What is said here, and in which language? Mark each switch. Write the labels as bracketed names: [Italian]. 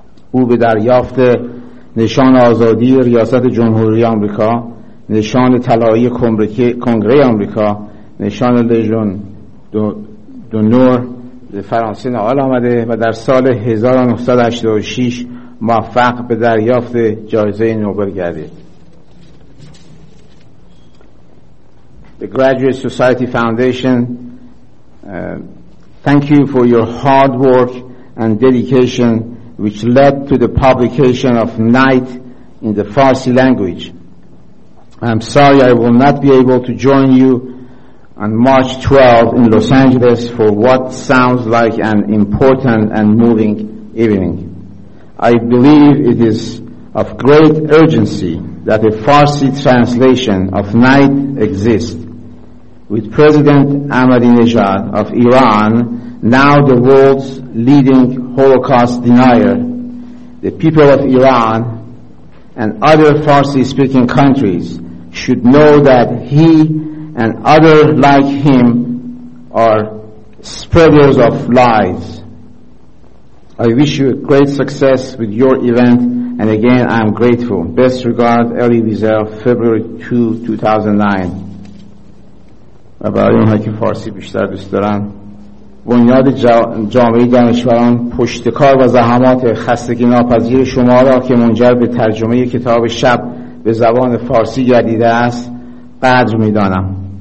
[Persian] او به دریافت نشان آزادی ریاست جمهوری آمریکا، نشان طلایی کنگره آمریکا، نشان لژن دونور فرانسه نائل آمده و در سال 1986 موفق به دریافت جایزه نوبل گردید. [English] The Graduate Society Foundation, thank you for your hard work and dedication which led to the publication of Night in the Farsi language. I'm sorry I will not be able to join you on March 12 in Los Angeles for what sounds like an important and moving evening. I believe it is of great urgency that a Farsi translation of Night exists. With President Ahmadinejad of Iran, now the world's leading Holocaust denier, the people of Iran and other Farsi-speaking countries should know that he and others like him are spreaders of lies. I wish you a great success with your event, and again, I am grateful. Best regards, Elie Wiesel, February 2, 2009. [Persian] و برای اونها که فارسی بیشتر دوست دارن، بنیاد جامعه دانشوران پشتکار و زحمات خستگی ناپذیر شما را که منجر به ترجمه کتاب شب به زبان فارسی گردیده است قدر می دانم.